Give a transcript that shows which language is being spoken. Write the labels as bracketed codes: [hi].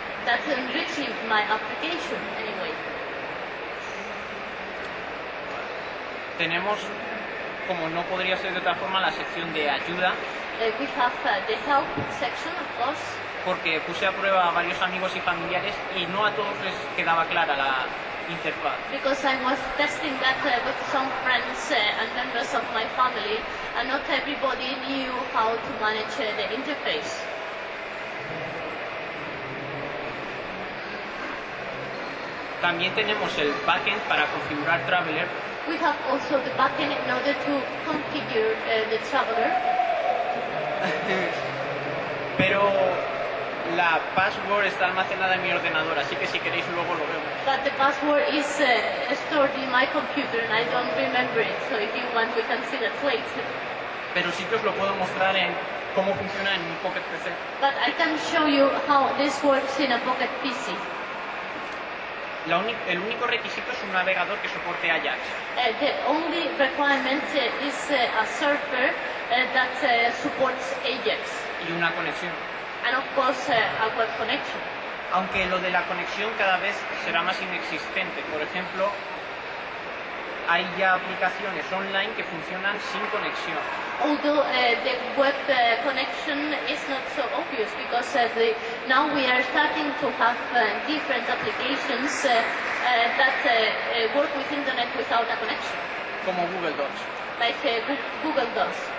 [en] That's enriching my application, anyway. [es] Tenemos, como no podría ser de otra forma, la sección de ayuda. [en] We have the help section, of course. [es] Porque puse a prueba a varios amigos y familiares y no a todos les quedaba clara la interfaz. [en] Because I was testing that with some friends and members of my family and not everybody knew how to manage the interface. [es] También tenemos el backend para configurar Traveler. [en] We have also the backend in order to configure the Traveler. [es] Pero la password está almacenada en mi ordenador, así que si queréis luego lo vemos. [en] But the password is stored in my computer and I don't remember it, so if you want we can see that later. [es] Pero sí que os lo puedo mostrar en cómo funciona en un Pocket PC. [en] But I can show you how this works in a Pocket PC. [es] El único requisito es un navegador que soporte Ajax. [en] The only requirement is a server that supports Ajax. [es] Y una conexión. [en] And of course, a web connection. [es] Aunque lo de la conexión cada vez será más inexistente. Por ejemplo, hay ya aplicaciones online que funcionan sin conexión. [en] Although the web connection is not so obvious because now we are starting to have different applications that work with internet without a connection. [es] Como Google Docs. [en] Like Google Docs.